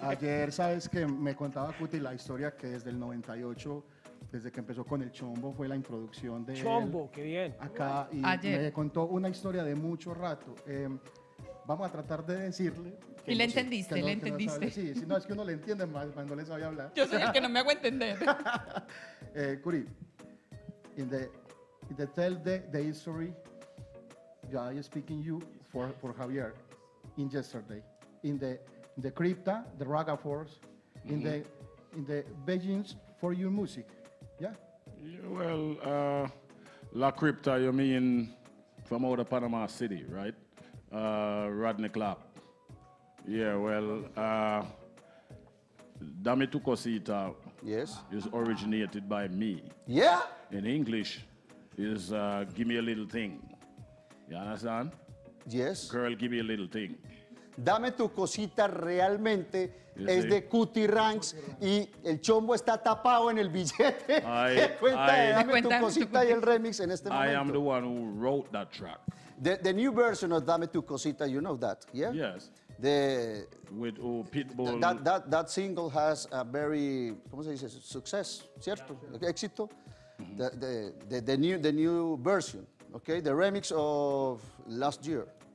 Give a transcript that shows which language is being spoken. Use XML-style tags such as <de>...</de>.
<es>Ayer, sabes que me contaba Cuti la historia que desde el 98. Desde que empezó con el Chombo, fue la introducción de Chombo, él qué bien. Acá, y ayer me contó una historia de mucho rato. Vamos a tratar de decirle. Que y no le entendiste, que no, le entendiste. No sí, sí, no, es que uno le entiende más cuando le sabe hablar. Yo soy el que no me hago entender.</es> <en>Curi, in the tell the history, I am speaking you for Javier, in yesterday, in the crypta, the Raga Force, in the Beijing's for your music. Yeah. Well, La Crypta, you mean from out of Panama City, right? Rodney Clark. Yeah, well, Dame Tu Cosita, yes, is originated by me. Yeah? In English, is give me a little thing. You understand? Yes. Girl, give me a little thing.</en> <es>Dame Tu Cosita realmente es de Cootie Ranks y el Chombo está tapado en el billete. Dame Tu Cosita y el remix en este momento.</es> <en>I am the one who wrote that track. The new version of Dame Tu Cosita, you know that, yeah? Yes. With Pitbull. That single has a very,</en> <es>¿cómo se dice?</es> <en>Success,</en> <es>¿cierto?</es> <en>Yeah, éxito. The new version, okay? The remix of last year.</en>